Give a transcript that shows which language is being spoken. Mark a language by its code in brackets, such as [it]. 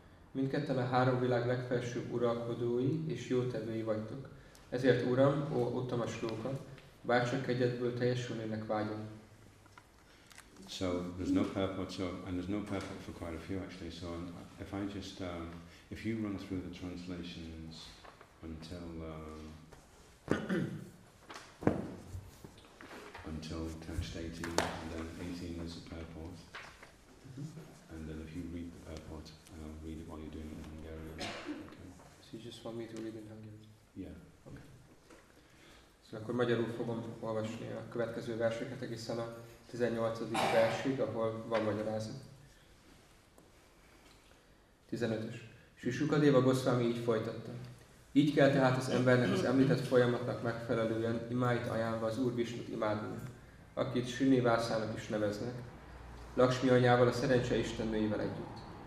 [hu] Mindketten a három világ legfelsőbb uralkodói és jótevői vagytok. Ezért, Uram, ó Uttama Shloka, bárcsak egyedből teljesülnének vágyam. [en] So there's no purport, so, and there's no purport for quite a few actually. So if I just, if you run through the translations until text 18, and then 18 is a purport, and then if you read the purport, read it while you're doing it in Hungarian. Okay. So you just want me to read in Hungarian? Yeah. [hu] Akkor magyarul fogom olvasni a következő verseket egészen a 18. versig, ahol van magyarázat. 15. Sisukadéva Goszvámi így folytatta. Így kell tehát az embernek az említett folyamatnak megfelelően imáit ajánlva az Úr Visnut imádni, akit Srinivászának is neveznek, Lakshmi anyával a szerencse istennőivel együtt.